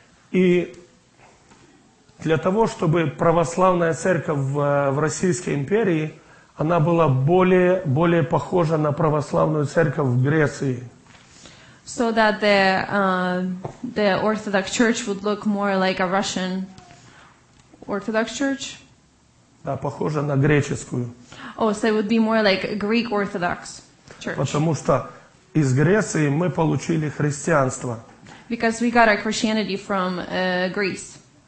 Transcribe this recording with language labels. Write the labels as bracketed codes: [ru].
[ru] И для того, чтобы православная церковь в Российской империи, она была более похожа на православную церковь в Греции. [en] So that the Orthodox Church would look more like a Russian Orthodox Church? [ru] Да, похожа на греческую. [en] Oh, so it would be more like a Greek Orthodox Church. [ru] Потому что из Греции мы получили христианство. [en] Because we got our Christianity from Greece.